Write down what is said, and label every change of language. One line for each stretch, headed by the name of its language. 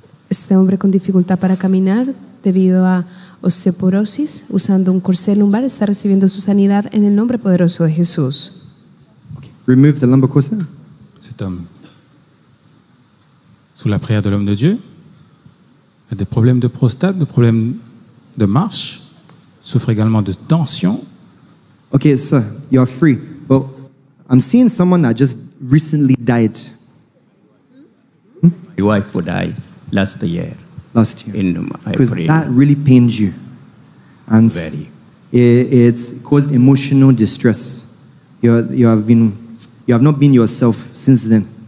Spanish: Este hombre con dificultad para caminar debido a osteoporosis usando un corsé lumbar está recibiendo su sanidad en el nombre poderoso de Jesús.
English: Okay. Remove the lumbar corset.
French: Cet homme, sous la prière de l'homme de Dieu, a des problèmes de prostate, des problèmes de marche, souffre également de tension.
English: Okay, so you are free. But I'm seeing someone that just recently died. My wife would die last year. Last year. Because that really pained you. And very. It's caused emotional distress. You have not been yourself since then.